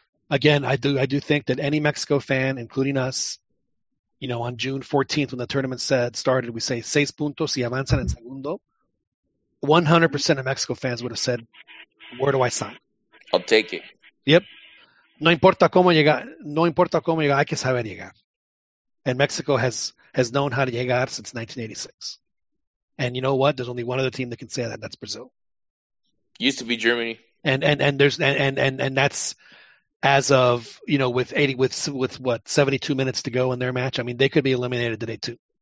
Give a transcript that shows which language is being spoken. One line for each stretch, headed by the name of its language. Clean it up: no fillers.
English: Again, I do think that any Mexico fan, including us, you know, on June 14th when the tournament started, we say
Spanish: seis puntos y avanzan en segundo.
English: 100% of Mexico fans would have said, "Where do I sign?" I'll take it.
Spanish: Yep. No importa cómo llegar. No importa cómo llegar. Hay que saber llegar.
English: And Mexico has known how to llegar since 1986. And you know what? There's only one other team that can say that. That's Brazil. Used to be Germany. And that's as of, you know, with 72 minutes to go in their match. I mean, they could be eliminated today too.